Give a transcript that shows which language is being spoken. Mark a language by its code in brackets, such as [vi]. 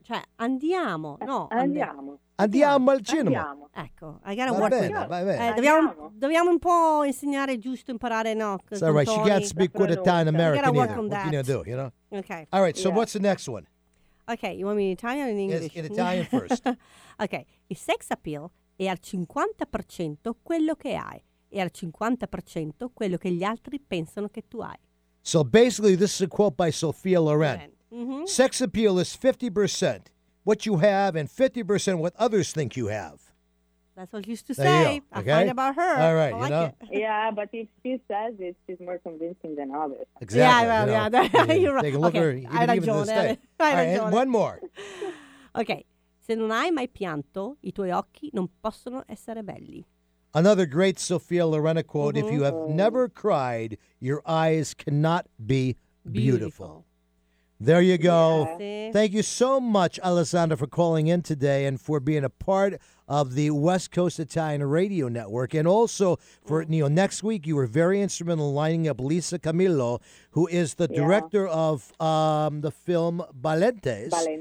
[it] Cioè, andiamo. No, Andiamo al cinema. Ecco, [en] I gotta work with you. [it] Dobbiamo un po' insegnare giusto, imparare, no? [en] It's all right. She can't speak good Italian American either. What can you do, you know? Okay. All right, so what's the next one? Okay, you want me in Italian or in English? Yes, in Italian first. [it] Okay, il sex appeal è al 50% quello che hai, e al 50% quello che gli altri pensano che tu hai. [en] So basically, this is a quote by Sophia Loren. Sex appeal is 50% what you have and 50% what others think you have. That's what she used to say. Okay. I find about her. All right, like you know. Yeah, but if she says it, she's more convincing than others. Exactly. Yeah, well, you know, you're right. Take a look at her. One more. Okay. [it] Se non hai mai pianto, I tuoi occhi non possono essere belli. [en] Another great Sophia Loren quote. Mm-hmm. If you have never cried, your eyes cannot be beautiful. There you go. Yeah. Thank you so much, Alessandra, for calling in today and for being a part of the West Coast Italian Radio Network. And also, for next week, you were very instrumental in lining up Lisa Camillo, who is the director of the film Valentes.